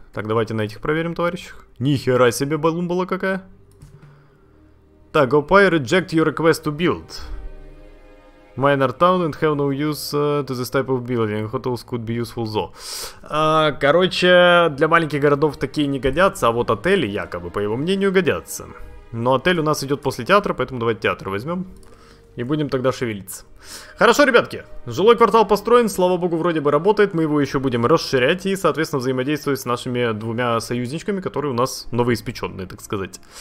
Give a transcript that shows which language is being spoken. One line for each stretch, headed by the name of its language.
Russian: Так, давайте на этих проверим, товарищи. Нихера себе балумбала какая.
English: Так, Opai, reject your request to build. Minor town and have no use to this type of building. Hotels could be useful though.
Russian: Короче, для маленьких городов такие не годятся, а вот отели якобы, по его мнению, годятся. Но отель у нас идет после театра, поэтому давайте театр возьмем. И будем тогда шевелиться. Хорошо, ребятки. Жилой квартал построен, слава богу, вроде бы работает. Мы его еще будем расширять и, соответственно, взаимодействовать с нашими двумя союзничками, которые у нас новоиспеченные, так сказать.